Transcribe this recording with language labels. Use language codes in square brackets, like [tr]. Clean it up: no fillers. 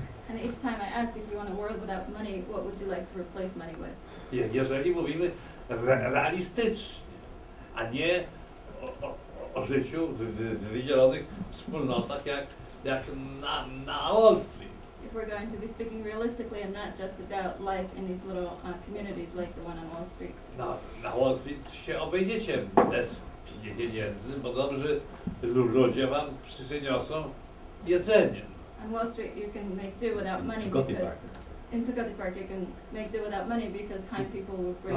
[en] And each time I ask, if you want a world without money, what would you like to replace money with? [pl] Jeżeli mówimy realistycznie, a nie o życiu w wydzielonych wspólnotach jak na Wall Street. [en] If we're going to be speaking realistically and not just about life in these little communities like the one on Wall Street. [pl] Na Wall Street się obejdziecie bez pieniędzy, bo dobrze ludzie wam przyniosą jedzenie. [en] On Wall Street you can make do without money. In Zuccotti Park you can make do without money because kind people will bring.